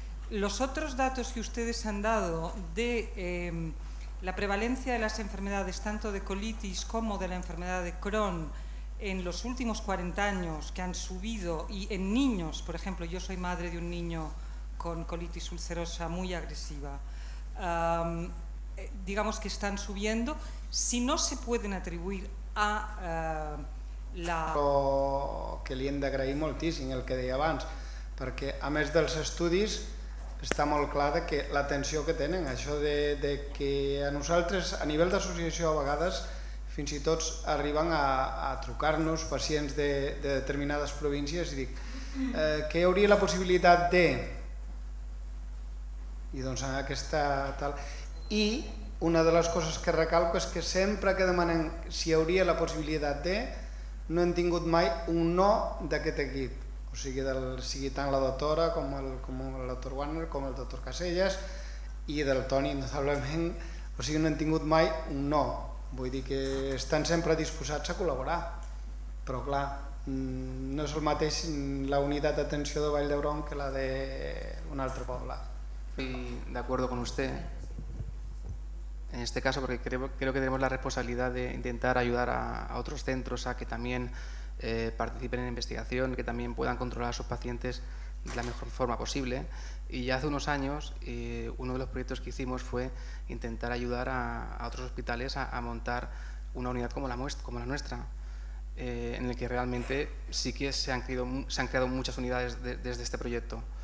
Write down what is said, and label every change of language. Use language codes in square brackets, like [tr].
[es] Los otros datos que ustedes han dado de la prevalencia de las enfermedades, tanto de colitis como de la enfermedad de Crohn, en los últimos 40 años, que han subido, y en niños, por ejemplo, yo soy madre de un niño con colitis ulcerosa muy agresiva, digamos que están subiendo, si no se pueden atribuir a la... [ca] Però que li hem d'agrair moltíssim el que deia abans, perquè a més dels estudis està molt clar que l'atenció que tenen, això de que a nosaltres, a nivell d'associació a vegades, fins i tot arriben a trucar-nos pacients de determinades províncies i dic, que hi hauria la possibilitat de... I doncs aquesta tal... I una de les coses que recalco és que sempre que demanen si hi hauria la possibilitat de, no hem tingut mai un no d'aquest equip, o sigui, sigui tant la doctora com el doctor Warner, com el doctor Casellas i del Toni, notablement, o sigui, no hem tingut mai un no. Vull dir que estan sempre disposats a col·laborar, però clar, no és el mateix la unitat d'atenció de Vall d'Hebron que la d'un altre poble. [es] Estoy de acuerdo con usted en este caso, porque creo que tenemos la responsabilidad de intentar ayudar a otros centros a que también participen en investigación, que también puedan controlar a sus pacientes de la mejor forma posible. Y ya hace unos años, uno de los proyectos que hicimos fue intentar ayudar a otros hospitales a montar una unidad como la nuestra, en el que realmente sí que se han creado muchas unidades desde este proyecto.